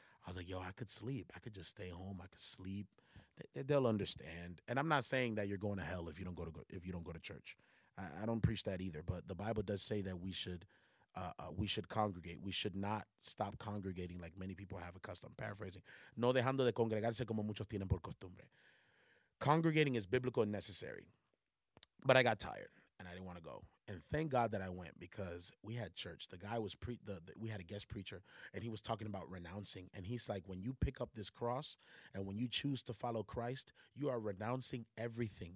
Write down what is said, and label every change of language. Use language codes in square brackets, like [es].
[en] I was like, yo, I could sleep. I could just stay home. I could sleep. They'll understand. And I'm not saying that you're going to hell if you don't go to church. I don't preach that either. But the Bible does say that we should congregate. We should not stop congregating like many people have accustomed. Paraphrasing. [es] No dejando de congregarse como muchos tienen por costumbre. [en] Congregating is biblical and necessary. But I got tired and I didn't want to go. And thank God that I went because we had church. The guy was we had a guest preacher and he was talking about renouncing. And he's like, when you pick up this cross and when you choose to follow Christ, you are renouncing everything.